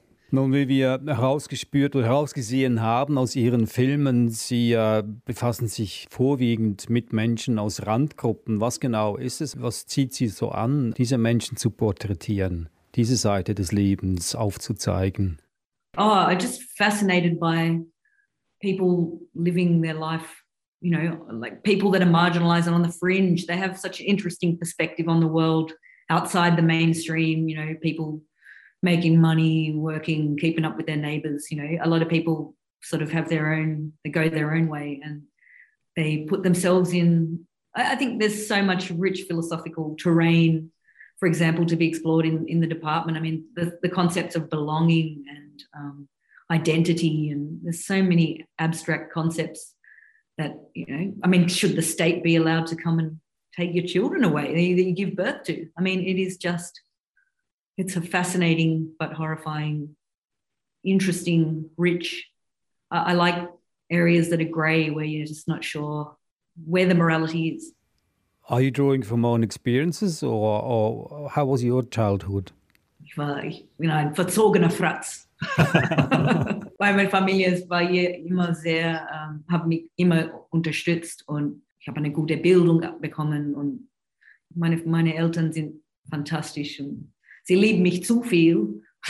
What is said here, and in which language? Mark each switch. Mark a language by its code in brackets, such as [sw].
[de] Nun, wie wir herausgespürt oder herausgesehen haben aus Ihren Filmen, Sie befassen sich vorwiegend mit Menschen aus Randgruppen. Was genau ist es? Was zieht Sie so an, diese Menschen zu porträtieren, diese Seite des Lebens aufzuzeigen? [en] Oh, I'm just fascinated by people living their life, you know, like people that are marginalized and on the fringe. They have such an interesting perspective on the world outside the mainstream, you know, people making money, working, keeping up with their neighbors, you know, a lot of people sort of have their own, they go their own way and they put themselves in. I think there's so much rich philosophical terrain, for example, to be explored in the department. I mean, the concepts of belonging and identity, and there's so many abstract concepts that, you know, I mean, should the state be allowed to come and take your children away that you give birth to? I mean, it is just, it's a fascinating but horrifying, interesting, rich. I like areas that are grey where you're just not sure where the morality is. Are you drawing from own experiences or how was your childhood? [de] Ich war, [en] you know, [de] ein verzogener Fratz. Bei meiner Familie war ich immer sehr, habe mich immer unterstützt und ich habe eine gute Bildung bekommen und meine Eltern sind fantastisch und sie lieben mich zu viel.